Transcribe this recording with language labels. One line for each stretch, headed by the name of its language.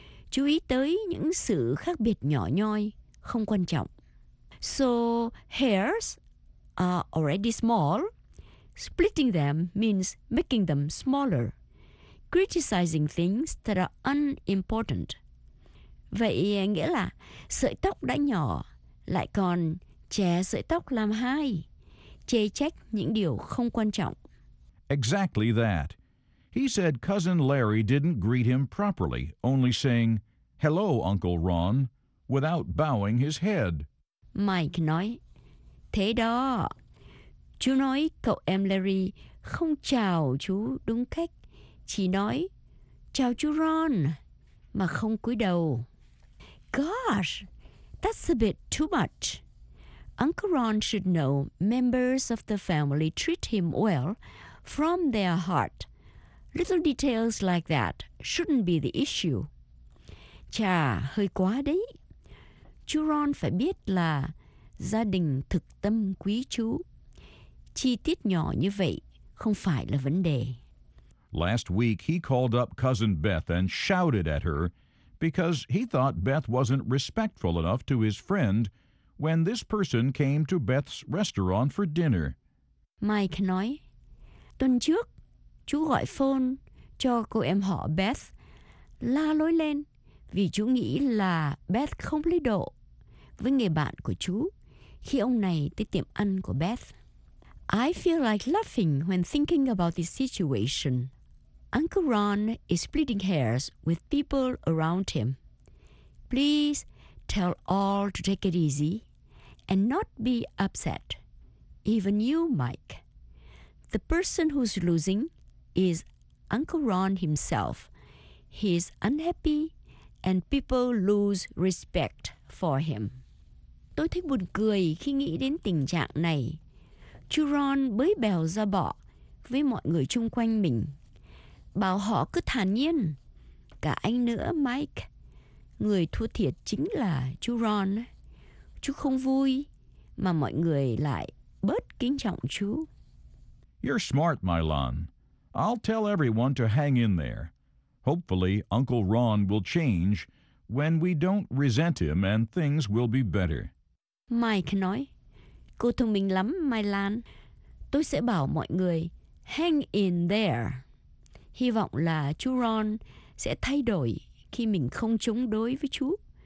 Vietnamese: Chú ý tới những sự khác biệt nhỏ nhoi, không quan trọng.
English: So, hairs are already small. Splitting them means making them smaller. Criticizing things that are unimportant.
Vietnamese: Vậy nghĩa là sợi tóc đã nhỏ, lại còn chẻ sợi tóc làm hai, chê trách những điều không quan trọng.
English: Exactly that. He said cousin Larry didn't greet him properly, only saying, "Hello, Uncle Ron," without bowing his head.
Vietnamese: Mike nói, thế đó. Chú nói cậu em Larry không chào chú đúng cách, chỉ nói, chào chú Ron, mà không cúi đầu.
English: Gosh, that's a bit too much. Uncle Ron should know members of the family treat him well from their heart. Little details like that shouldn't be the issue.
Vietnamese: Chà, hơi quá đấy. Chú Ron phải biết là gia đình thực tâm quý chú. Chi tiết nhỏ như vậy không phải là vấn đề.
English: Last week, he called up cousin Beth and shouted at her because he thought Beth wasn't respectful enough to his friend when this person came to Beth's restaurant for dinner.
Vietnamese: Mike nói, tuần trước, chú gọi phone cho cô em họ Beth, la lối lên vì chú nghĩ là Beth không lý độ với người bạn của chú khi ông này tới tiệm ăn của Beth.
English: I feel like laughing when thinking about this situation. Uncle Ron is splitting hairs with people around him. Please tell all to take it easy and not be upset. Even you, Mike. The person who's losing is Uncle Ron himself. He's unhappy and people lose respect for him.
Vietnamese: Tôi thấy buồn cười khi nghĩ đến tình trạng này. Chú Ron bới bèo ra bỏ với mọi người chung quanh mình. Bảo họ cứ thản nhiên. Cả anh nữa, Mike. Người thua thiệt chính là chú Ron. Chú không vui mà mọi người lại bớt kính trọng chú.
English: You're smart, Mylon. I'll tell everyone to hang in there. Hopefully, Uncle Ron will change when we don't resent him and things will be better.
Vietnamese: Mike nói, cô thông minh lắm, Mylon. Tôi sẽ bảo mọi người
English: hang in there.
Vietnamese: Hy vọng là chú Ron sẽ thay đổi khi mình không chống đối với chú.